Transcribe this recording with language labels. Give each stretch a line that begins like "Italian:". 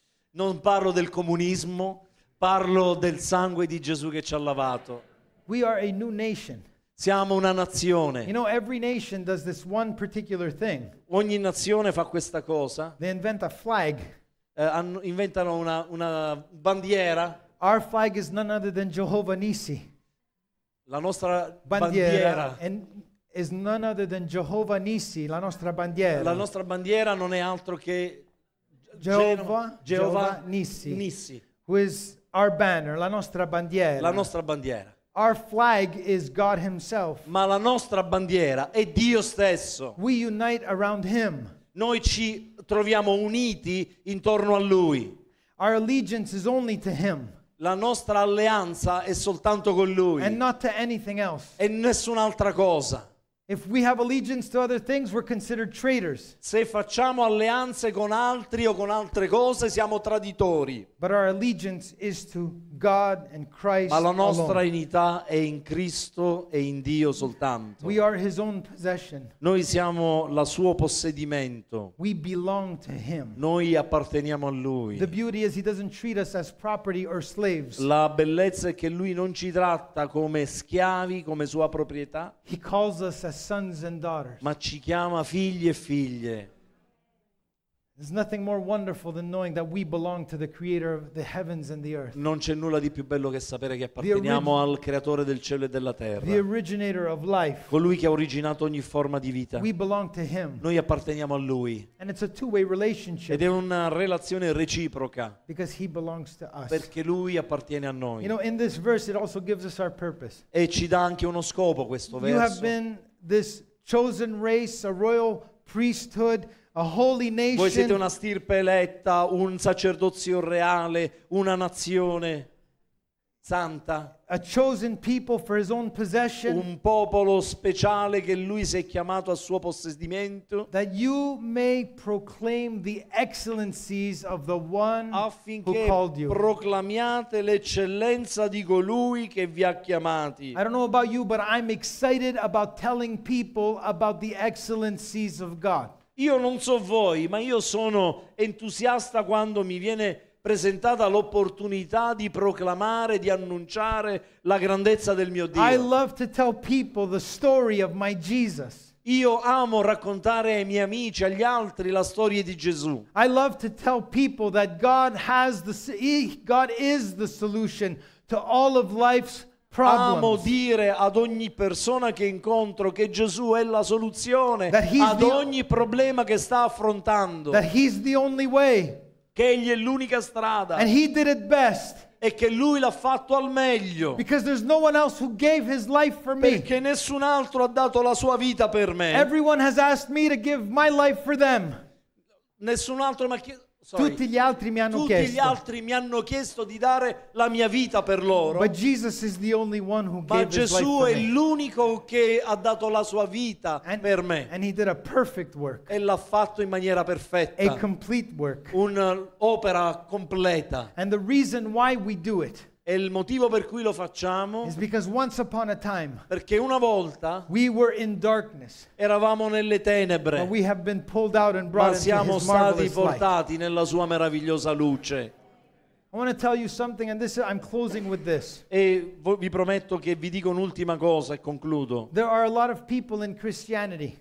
Italian: Non parlo del comunismo. Parlo del sangue di Gesù che ci ha lavato.
English: We are a new nation.
Italian: Siamo una nazione.
English: You know, every nation does this one particular thing.
Italian: Ogni nazione fa questa cosa.
English: They invent a flag.
Italian: Inventano una bandiera.
English: Our flag is none other than Jehovah Nissi.
Italian: la nostra bandiera.
English: Is none other than Jehovah Nissi,
Italian: la nostra bandiera. La nostra bandiera non è altro che
English: Jehovah Nissi. Who is our banner,
Italian: la nostra bandiera. La nostra bandiera.
English: Our flag is God Himself.
Italian: Ma la nostra bandiera è Dio stesso.
English: We unite around Him.
Italian: Noi ci troviamo uniti intorno a Lui.
English: Our allegiance is only to Him.
Italian: La nostra alleanza è soltanto con Lui.
English: And not to anything else.
Italian: E nessun'altra cosa.
English: If we have allegiance to other things, we're considered traitors.
Italian: Se facciamo alleanze con altri o con altre cose, siamo traditori.
English: But our allegiance is to God and Christ alone.
Italian: Ma la nostra unità è in Cristo e in Dio soltanto.
English: We are His own possession.
Italian: Noi siamo la suo possedimento.
English: We belong to Him.
Italian: Noi apparteniamo a Lui.
English: The beauty is He doesn't treat us as property or slaves.
Italian: La bellezza è che Lui non ci tratta come schiavi, come sua proprietà.
English: He calls us as sons and daughters.
Italian: Ma ci chiama figli e figlie.
English: There's nothing more wonderful than knowing that we belong to the creator of the heavens and the earth.
Italian: Non c'è nulla di più bello che sapere che apparteniamo al creatore del cielo e della terra.
English: The originator of life.
Italian: Colui che ha originato ogni forma di vita.
English: We belong to him.
Italian: Noi apparteniamo a lui.
English: And it's a two-way relationship.
Italian: Ed è una relazione reciproca.
English: Because he belongs to us.
Italian: Perché lui appartiene a noi.
English: You know, in this verse it also gives us our purpose.
Italian: E ci dà anche uno scopo questo verso.
English: You have been this chosen race, a royal priesthood, a holy nation.
Italian: Voi siete una stirpe eletta, un sacerdozio reale, una nazione santa.
English: A chosen people for His own possession.
Italian: Un popolo speciale che Lui si è chiamato a suo possedimento.
English: That you may proclaim the excellencies of the one
Italian: affinché
English: who called you.
Italian: Proclamiate l'eccellenza di colui che vi ha chiamati.
English: I don't know about you, but I'm excited about telling people about the excellencies of God.
Italian: Io non so voi, ma io sono entusiasta quando mi viene presentata l'opportunità di proclamare, di annunciare la grandezza del mio Dio.
English: I love to tell people the story of my Jesus.
Italian: Io amo raccontare ai miei amici, agli altri, la storia di Gesù.
English: I love to tell people that God has the God is the solution to all of life's problems.
Italian: Amo dire ad ogni persona che incontro che Gesù è la soluzione ad ogni problema che sta affrontando.
English: That He's the only way.
Italian: Che Egli è l'unica strada.
English: And He did it best.
Italian: E che Lui l'ha fatto al meglio.
English: Because there's no one else who gave His life for me.
Italian: Perché nessun altro ha dato la sua vita per me.
English: Everyone has asked me to give my life for them.
Italian: Nessun altro mi ha chiesto. Tutti gli altri mi hanno gli altri mi hanno chiesto di dare la mia vita per loro.
English: But Jesus is the only one who
Italian: gave Gesù è l'unico che ha dato la sua vita per me.
English: And He did a perfect work.
Italian: E l'ha fatto in maniera perfetta.
English: A complete work.
Italian: Un'opera completa.
English: And the reason why we do it.
Italian: E il motivo per cui lo facciamo
English: is because once upon a time,
Italian: perché una volta
English: we were in darkness,
Italian: eravamo nelle tenebre,
English: but we have been pulled out and brought
Italian: ma siamo
English: into His
Italian: stati portati
English: light.
Italian: Nella sua meravigliosa luce.
English: I want to tell you something, and this I'm closing with this.
Italian: E vi prometto che vi dico un'ultima cosa e concludo.
English: There are a lot of people in Christianity